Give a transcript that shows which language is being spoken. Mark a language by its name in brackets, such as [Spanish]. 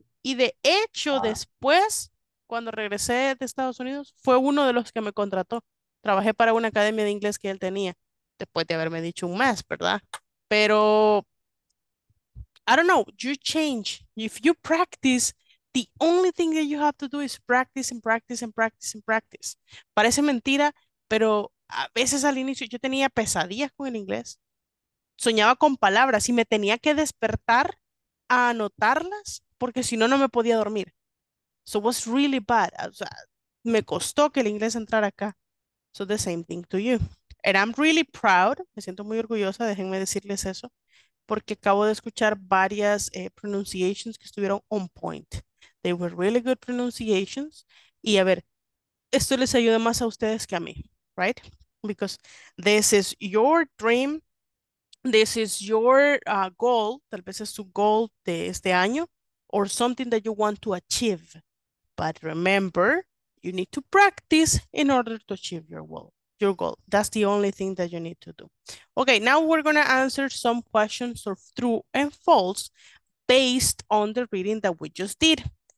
[Spanish] Y de hecho, después, cuando regresé de Estados Unidos, fue uno de los que me contrató. Trabajé para una academia de inglés que él tenía, después de haberme dicho un mes, ¿verdad? Pero, [English] I don't know, you change. If you practice, the only thing that you have to do is practice and practice and practice and practice. [Spanish] Parece mentira, pero a veces al inicio yo tenía pesadillas con el inglés. Soñaba con palabras y me tenía que despertar a anotarlas, porque si no, no me podía dormir. [English] So it was really bad. [Spanish] O sea, me costó que el inglés entrara acá. [English] So the same thing to you. And I'm really proud. [Spanish] Me siento muy orgullosa. Déjenme decirles eso. Porque acabo de escuchar varias pronunciations que estuvieron [English] on point. They were really good pronunciations. [Spanish] Y a ver, esto les ayuda más a ustedes que a mí. Right? [English] Because this is your dream. This is your goal. [Spanish] Tal vez es su goal de este año. [English] Or something that you want to achieve. But remember, you need to practice in order to achieve your goal. That's the only thing that you need to do. Okay, now we're going to answer some questions of true and false based on the reading that we just did.